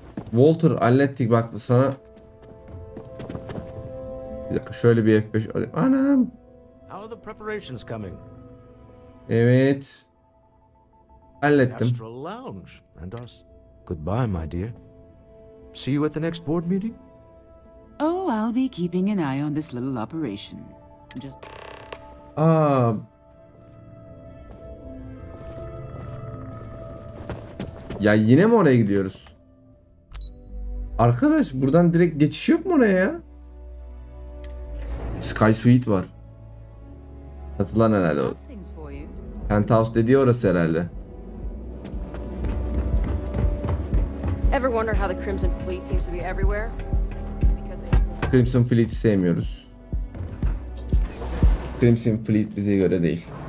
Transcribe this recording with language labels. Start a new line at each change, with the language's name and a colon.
Turkish: Walter hallettik bak sana. Bir dakika şöyle bir F5 alayım. Anam.
English: How are the preparations coming?
Turkish: Evet. Hallettim.
English: Astral Lounge and us. Goodbye my dear. See you at the next board meeting? Oh, I'll be keeping an eye on this little operation. Just
Turkish: Ya yine mi oraya gidiyoruz? Arkadaş buradan direkt geçiş yok mu oraya ya? Sky Suite var. Katılan herhalde o. Penthouse dediği orası herhalde.
English: Ever wonder how the Crimson Fleet seems to be everywhere? It's because they...
Turkish: Crimson Fleet'i sevmiyoruz. Crimson Fleet bize göre değil.